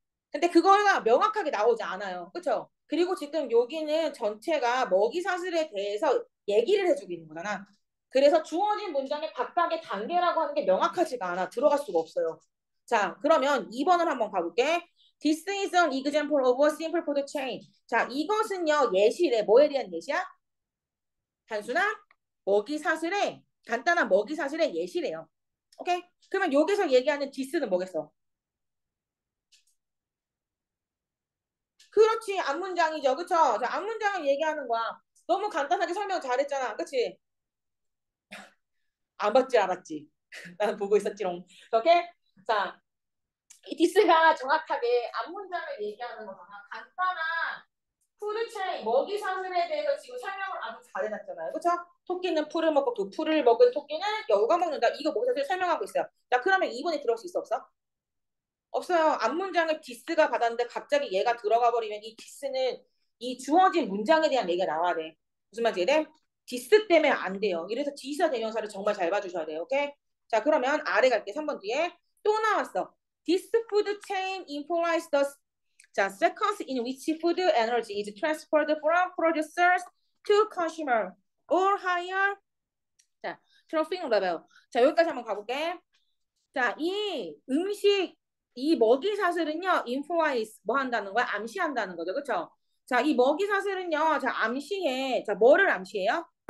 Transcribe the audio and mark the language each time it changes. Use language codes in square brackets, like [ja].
[ko] 근데 그거가 명확하게 나오지 않아요. 그쵸? 그리고 지금 여기는 전체가 먹이 사슬에 대해서 얘기를 해주고 있는 거잖아. 그래서 주어진 문장의 각각의 단계라고 하는 게 명확하지가 않아. 들어갈 수가 없어요. 자, 그러면 2번을 한번 가볼게. [en] This is an example of a simple food chain. [ko] 자, 이것은요, 예시래. 뭐에 대한 예시야? 단순한 먹이 사슬에, 간단한 먹이 사슬의 예시래요. 오케이? 그러면 여기서 얘기하는 this는 뭐겠어? 그렇지, 앞문장이죠. 그쵸? 자, 앞문장을 얘기하는 거야. 너무 간단하게 설명 잘했잖아. 그치? 안 봤지, 알았지? 난 보고 있었지롱. 오케이? 자, 이 디스가 정확하게 앞문장을 얘기하는 거잖아. 간단한 푸드체인, 먹이 사슬에 대해서 지금 설명을 아주 잘해놨잖아요. 그쵸? 토끼는 풀을 먹고, 그 풀을 먹은 토끼는 여우가 먹는다. 이거 먹이 사슬을 설명하고 있어요. 자, 그러면 2번에 들어올 수 있어, 없어? 없어요. 앞문장을 디스가 받았는데 갑자기 얘가 들어가 버리면 이 디스는 이 주어진 문장에 대한 얘기가 나와야 돼. 무슨 말인지 이해 돼? 디스 때문에 안 돼요. 이래서 지시사 대명사를 정말 잘 봐주셔야 돼요. 오케이? 자, 그러면 아래 갈게. 3번 뒤에. 또 나왔어. [en] This food chain implies the 자, seconds in which food energy is transferred from producers to consumer or higher 자, trophic level. [ko] 자, 여기까지 한번 가볼게. 자, 이 음식, 이 먹이 사슬은요, implies, 뭐 한다는 거야? 암시한다는 거죠. 그쵸? 자, 이 먹이 사슬은요, 자, 암시해. 자, 뭐를 암시해요?